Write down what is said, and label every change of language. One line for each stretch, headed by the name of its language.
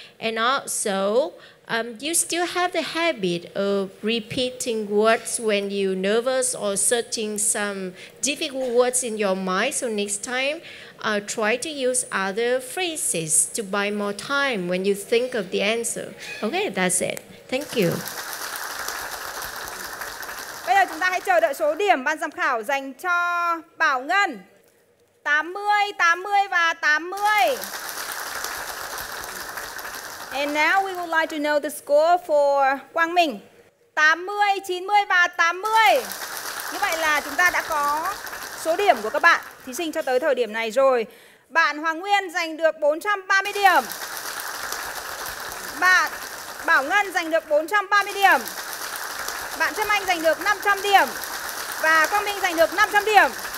English: And also, you still have the habit of repeating words when you're nervous or searching some difficult words in your mind. So next time, try to use other phrases to buy more time when you think of the answer. Okay, that's it. Thank you.
Vietnamese: Bây giờ chúng ta hãy chờ đợi số điểm ban giám khảo dành cho Bảo Ngân. 80, 80 và 80.
English: And now we would like to know the score for Quang Minh.
Vietnamese: 80, 90 và 80. Như vậy là chúng ta đã có số điểm của các bạn thí sinh cho tới thời điểm này rồi. Bạn Hoàng Nguyên giành được 430 điểm. Bạn Bảo Ngân giành được 430 điểm. Bạn Trâm Anh giành được 500 điểm. Và Quang Minh giành được 500 điểm.